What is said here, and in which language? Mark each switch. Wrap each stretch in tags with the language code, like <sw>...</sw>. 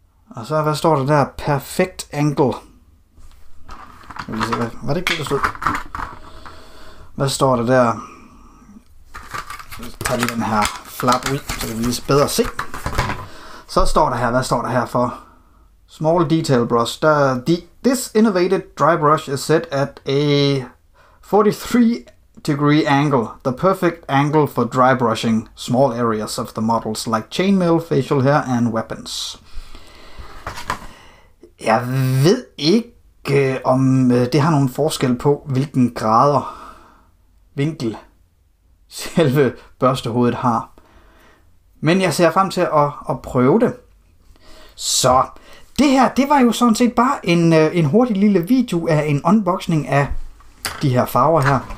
<da>Og så, hvad står der der?</da> <en>Perfect angle.</en> <da>Hvad er det, der stod? Hvad står der der? Jeg tager lige den her flap ud, så kan vi lige bedre se. Så står der her, hvad står der her for?</da> <en>Small detail brush. This innovative dry brush is set at a 43-degree angle. The perfect angle for dry brushing small areas of the models, like chainmail, facial hair and weapons.</en> <da>Jeg ved ikke, om det har nogen forskel på, hvilken grader vinkel selve børstehovedet har. Men jeg ser frem til at prøve det. Så det her, det var jo sådan set bare en hurtig lille video af en unboxing af de her farver her.</da>